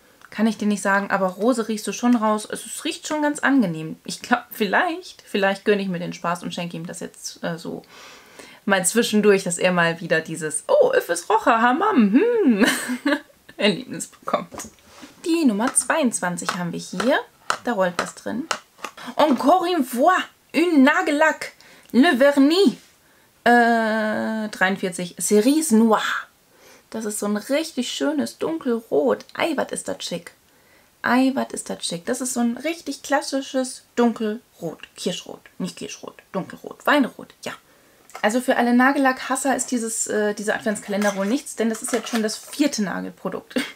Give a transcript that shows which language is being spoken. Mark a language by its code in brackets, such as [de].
[de] Kann ich dir nicht sagen, aber Rose riechst du schon raus. Es riecht schon ganz angenehm. Ich glaube, vielleicht gönne ich mir den Spaß und schenke ihm das jetzt so mal zwischendurch, dass er mal wieder dieses, oh, Yves Rocher, Hammam, Erlebnis bekommt. Die Nummer 22 haben wir hier. Da rollt was drin. [fr] Encore une fois, un Nagellack, le Vernis, 43, Cerise Noir. [de] Das ist so ein richtig schönes Dunkelrot. Ei, was ist das schick. Ei, was ist das schick. Das ist so ein richtig klassisches Dunkelrot. Kirschrot, nicht Kirschrot, Dunkelrot, Weinrot, ja. Also für alle Nagellackhasser ist dieser Adventskalender wohl nichts, denn das ist jetzt schon das 4. Nagelprodukt.